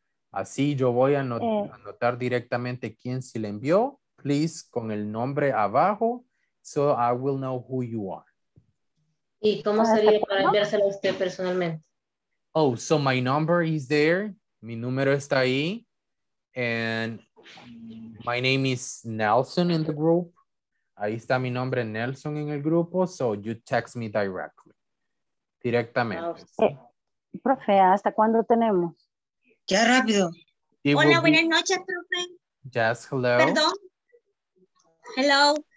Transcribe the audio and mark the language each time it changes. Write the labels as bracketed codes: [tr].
[es] Así yo voy a anotar directamente quién sí la envió. Please, con el nombre abajo, [en] so I will know who you are. [es] ¿Y cómo sería para enviárselo a usted personalmente? [en] Oh, so my number is there. [es] Mi número está ahí. [en] And my name is Nelson in the group. [es] Ahí está mi nombre, Nelson, en el grupo. [en] So you text me directly. Directamente. [es] Profe, ¿hasta cuándo tenemos? Ya rápido. It Hola, buenas noches, profe. [en] Yes, hello. [es] Perdón. Hello.